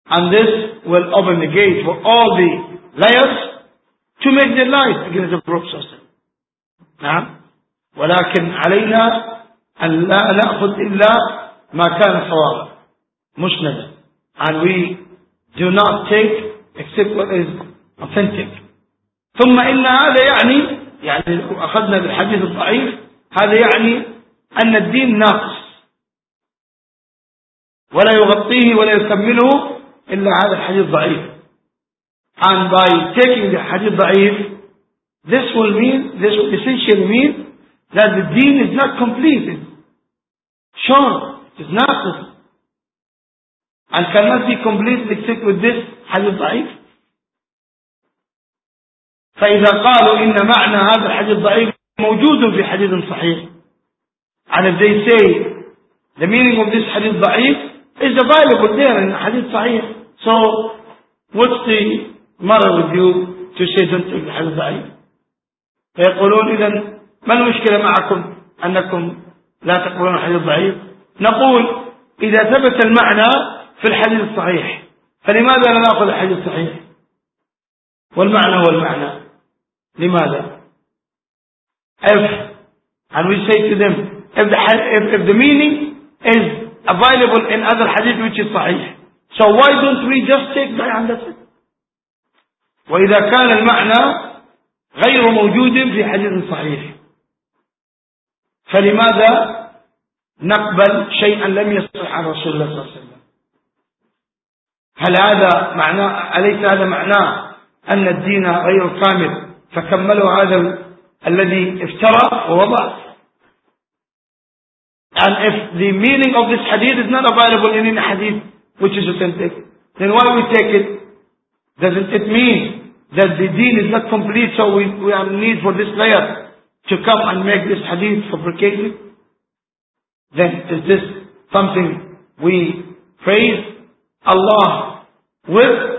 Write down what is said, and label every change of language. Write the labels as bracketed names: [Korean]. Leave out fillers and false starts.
[English] And this will open the gate for all the liars to make their lies against the Prophet صلى الله عليه وسلم. [Arabic] نعم. ولكن علينا أن لا نأخذ إلا ما كان صوابا مسندا. [English] And we do not take except what is authentic. [Arabic] ثم إن هذا يعني أخذنا بالحديث الضعيف، هذا يعني أن الدين ناقص ولا يغطيه ولا يكمله إلا هذا الحديث الضعيف. [English] And by taking the حديث ضعيف, this will essentially mean that the deen is not complete. Sure, it's ناقص. And cannot be complete except with this حديث ضعيف. [Arabic] فإذا قالوا إن معنى هذا الحديث ضعيف موجود في حديث صحيح. [English] And if they say the meaning of this حديث ضعيف is available there in حديث صحيح. So what's the matter with you to say don't take the حديث ضعيف؟ [Arabic] فيقولون إذن ما المشكلة معكم أنكم لا تقبلون الحديث ضعيف؟ نقول إذا ثبت المعنى في الحديث الصحيح فلماذا لا نأخذ الحديث الصحيح؟ والمعنى هو المعنى. لماذا؟ [English] if and we say to them if the meaning is available in other hadith which is صحيح, so why don't we just take that and that's it. [Arabic] وإذا كان المعنى غير موجود في حديث صحيح فلماذا نقبل شيئا لم يصح عن رسول الله صلى الله عليه وسلم؟ هل هذا معنى أليس هذا معناه أن الدين غير كامل فكملوا هذا الذي افترى ووضع؟ [English] And if the meaning of this hadith is not available in any hadith which is authentic, then why we take it? Doesn't it mean that the deen is not complete, so we are need for this layer to come and make this hadith fabricated? Then is this something we praise Allah with?